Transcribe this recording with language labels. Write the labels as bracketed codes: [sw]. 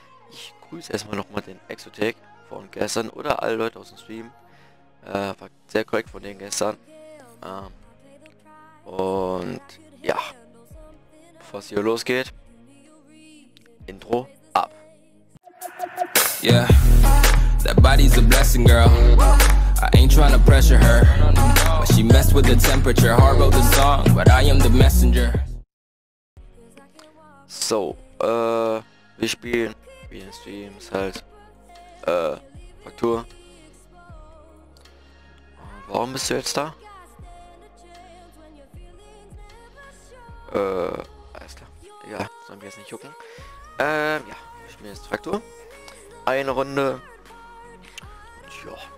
[de] Ich grüße erstmal nochmal den Exotech von gestern oder alle Leute aus dem Stream. War sehr korrekt von denen gestern. Und ja, bevor es hier losgeht, Intro ab. [en] Yeah, that body's a blessing, girl. I ain't trying to pressure her. But she messed with the temperature. Hard wrote the song, but I am the messenger. [de] So, wir spielen wie in Streams halt Faktur. Warum bist du jetzt da? Alles klar. Ja, sollen wir jetzt nicht jucken. Ja, wir spielen jetzt Faktur. Eine Runde. Ja.